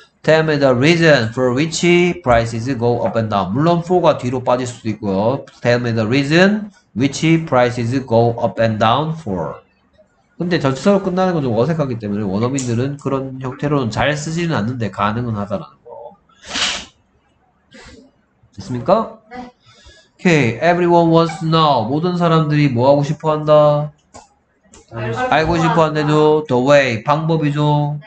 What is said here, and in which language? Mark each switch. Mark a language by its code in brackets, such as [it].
[en] Tell me the reason for which prices go up and down. [ko] 물론 for가 뒤로 빠질 수도 있고요. [en] Tell me the reason which prices go up and down for. [ko] 근데 전치사로 끝나는 건 좀 어색하기 때문에 원어민들은 그런 형태로는 잘 쓰지는 않는데 가능은 하다라는 거. 됐습니까? 네. [en] Okay, everyone wants to know. [ko] 모든 사람들이 뭐 하고 싶어 한다? 알고 싶어 한데도 the way 방법이죠. 네.